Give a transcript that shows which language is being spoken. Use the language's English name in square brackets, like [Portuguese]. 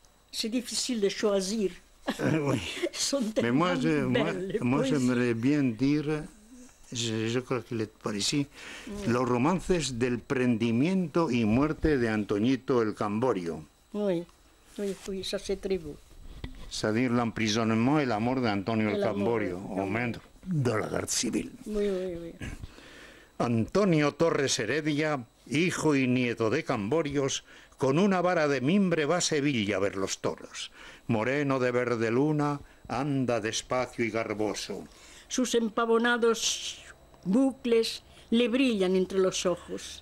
[French] C'est difficile de choisir. Oui. Mais moi, j'aimerais bien dire, je crois qu'il est par ici, oui. [Spanish] Los romances del prendimiento y muerte de Antoñito el Camborio. [French] Oui, oui, oui, ça c'est très beau. C'est-à-dire l'emprisonnement et la mort d'Antonio el Camborio, au moment de la guerre civile. Oui, oui, oui. [Spanish] Antonio Torres Heredia, hijo y nieto de Camborios, con una vara de mimbre va a Sevilla a ver los toros. Moreno de verde luna, anda despacio y garboso. Sus empavonados bucles le brillan entre los ojos.